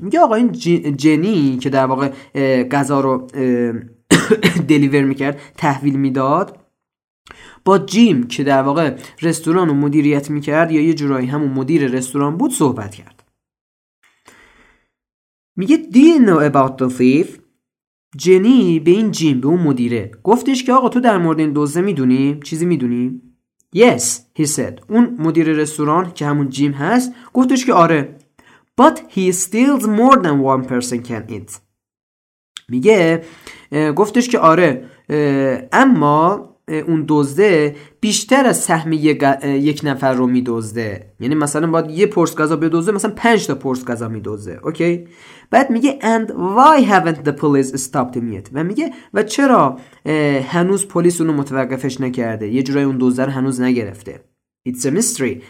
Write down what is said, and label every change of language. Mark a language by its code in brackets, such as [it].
[fa] میگه آقا این جنی که در واقع غذا رو دلیور میکرد، تحویل میداد، با جیم که در واقع رستوران رو مدیریت میکرد یا یه جورایی همون مدیر رستوران بود صحبت کرد. میگه [en] Do you know about the thief? [fa] جنی به این جیم، به اون مدیره گفتش که آقا تو در مورد این دزده میدونی؟ چیزی میدونی؟ [en] Yes, he said. [fa] اون مدیر رستوران که همون جیم هست گفتش که آره. [en] But he steals more than one person can eat. [fa] میگه گفتش که آره اما اون دزده بیشتر از سهم یک نفر رو میدزده. یعنی مثلا باید یه پرس غذا بدزده، مثلا 5 تا پرس غذا میدزده. اوکی؟ بعد میگه [en] and why haven't the police stopped him yet؟ [fa] و میگه و چرا هنوز پلیس اونو متوقفش نکرده؟ یه جورای اون دزده رو هنوز نگرفته. [en] It's a mystery.